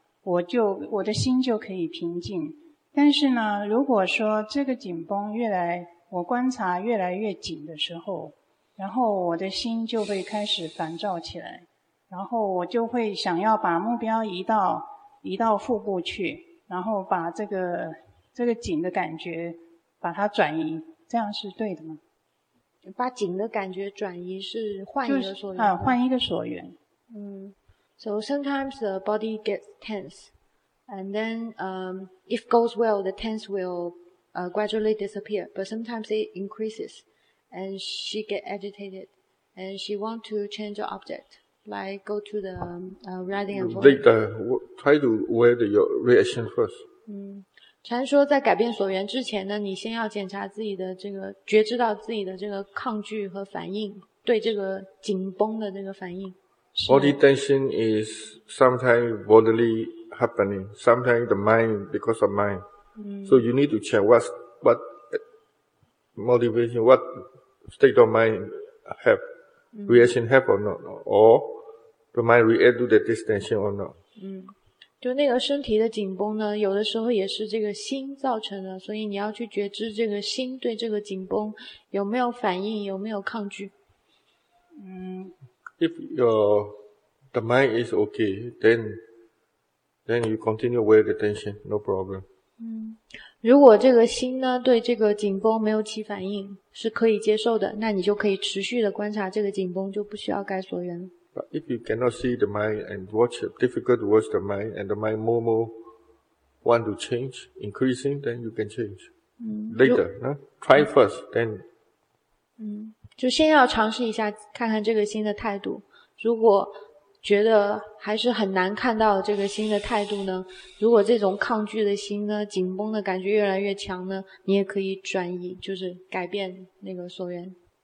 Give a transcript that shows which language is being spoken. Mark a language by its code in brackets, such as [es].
[zh] 我的心就可以平静。但是呢，如果说这个紧绷越来，我观察越来越紧的时候，然后我的心就会开始烦躁起来，然后我就会想要把目标移到腹部去，然后把这个紧的感觉把它转移，这样是对的吗？把紧的感觉转移是换一个所缘、就是、换一个所缘。 [en] So sometimes the body gets tense, and then if goes well, the tense will gradually disappear. But sometimes it increases, and she get agitated, and she want to change the object, like go to the riding and falling. Try to wear your reaction first. [zh] 禅说在改变所缘之前呢，你先要检查自己的这个觉知到自己的这个抗拒和反应，对这个紧绷的这个反应。 [en] Body tension is sometimes bodily happening, sometimes the mind because of mind. So you need to check what motivation, what state of mind have, reaction have or not, or the mind react to that tension or not. [zh] 就那个身体的紧绷呢，有的时候也是这个心造成的，所以你要去觉知这个心对这个紧绷有没有反应，有没有抗拒。 [en] If the mind is okay, then you continue with the tension, no problem. [zh] 如果这个心呢对这个紧绷没有起反应，是可以接受的，那你就可以持续的观察这个紧绷，就不需要改所缘。 [en] But if you cannot see the mind and watch it, difficult to watch the mind, and the mind more want to change, increasing, then you can change. Later, try first, then. [zh] 就先要尝试一下，看看这个心的态度。如果觉得还是很难看到这个心的态度呢，如果这种抗拒的心呢，紧绷的感觉越来越强呢，你也可以转移，就是改变那个所缘。